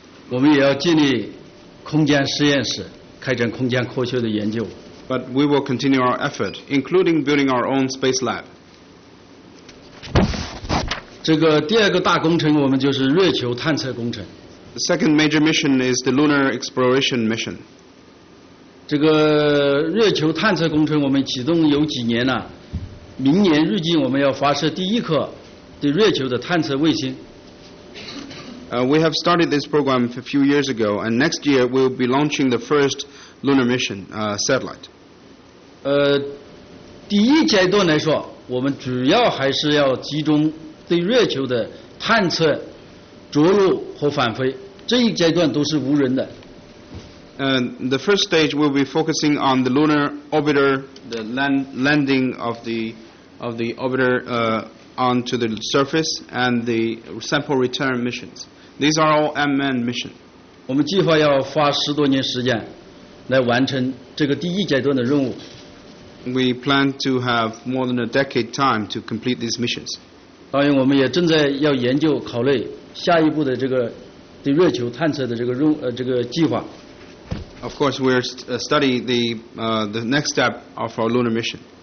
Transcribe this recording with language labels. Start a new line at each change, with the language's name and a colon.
Chinese: 我们也要建立空间实验室，开展空间科学的研究。
English: But we will continue our effort, including building our own space lab.
Chinese: 这个第二个大工程，我们就是月球探测工程。
English: The second major mission is the Lunar Exploration Mission.
Chinese: 这个月球探测工程我们启动有几年了，明年预计我们要发射第一颗对月球的探测卫星。
English: We have started this program a few years ago, and next year we will be launching the first lunar mission satellite.
Chinese: 第一阶段来说，我们主要还是要集中对月球的探测。着陆和返回, 这一阶段都是无人的。
English: The first stage will be focusing on the lunar orbiter, the landing of the orbiter onto the surface, and the sample return missions. These are all unmanned missions.
Chinese: 我们计划要花十多年时间来完成这个第一阶段的任务。
English: We plan to have more than a decade time to complete these missions.
Chinese: 当然我们也正在要研究考虑下一步的这个对月球探测的这个计划。
English: Of course, we are studying the next step of our lunar mission.